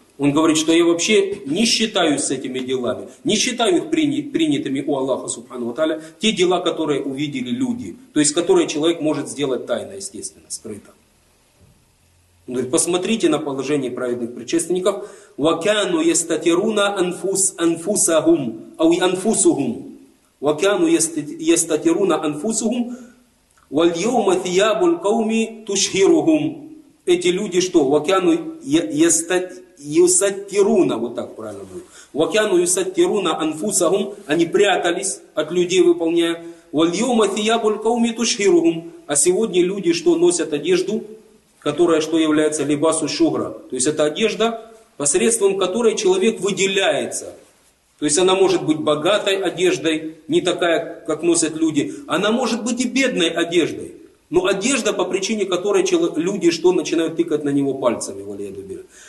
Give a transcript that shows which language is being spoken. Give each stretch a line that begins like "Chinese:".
Russian: Он говорит, что я вообще не считаюсь с этими делами. Не считаю их принятыми у Аллаха субхану ва тааля. Те дела, которые увидели люди. То есть, которые человек может сделать тайно, естественно, скрыто. Он говорит, посмотрите на положение праведных предшественников.
Arabic: «Вакану естатируна анфусахум, ау анфусухум». وكانوا يستترون أنفسهم واليوم ثياب القوم تشهرهم.
Russian: Эти люди что?
Arabic: وكانوا يستترون,
Russian: вот так правильно будет.
Arabic: وكانوا يستترون أنفسهم,
Russian: они прятались от людей, выполняя.
Arabic: واليوم ثياب القوم تشهرهم.
Russian: А сегодня люди что носят одежду, которая что является либасу шугра. То есть это одежда, посредством которой человек выделяется. То есть она может быть богатой одеждой, не такая, как носят люди. Она может быть и бедной одеждой. Но одежда, по причине которой люди что начинают тыкать на него пальцами, валиаду биллях.